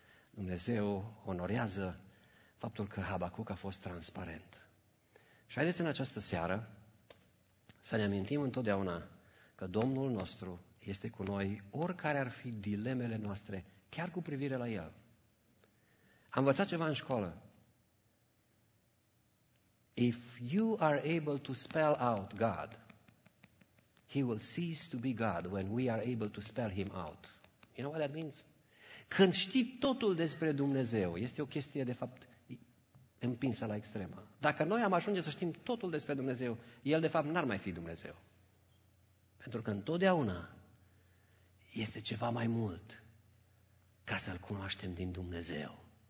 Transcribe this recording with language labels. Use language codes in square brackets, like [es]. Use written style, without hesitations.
[ro] Dumnezeu onorează faptul că Habacuc a fost transparent. Și haideți în această seară să ne amintim întotdeauna că Domnul nostru este cu noi, oricare ar fi dilemele noastre, chiar cu privire la El. Am învățat ceva în școală. [en] If you are able to spell out God, He will cease to be God when we are able to spell Him out. You know what that means? [ro] Când știi totul despre Dumnezeu, este o chestie, de fapt, împinsă la extremă. Dacă noi am ajunge să știm totul despre Dumnezeu, El, de fapt, n-ar mai fi Dumnezeu. Pentru că întotdeauna este ceva mai mult ca să-L cunoaștem din Dumnezeu.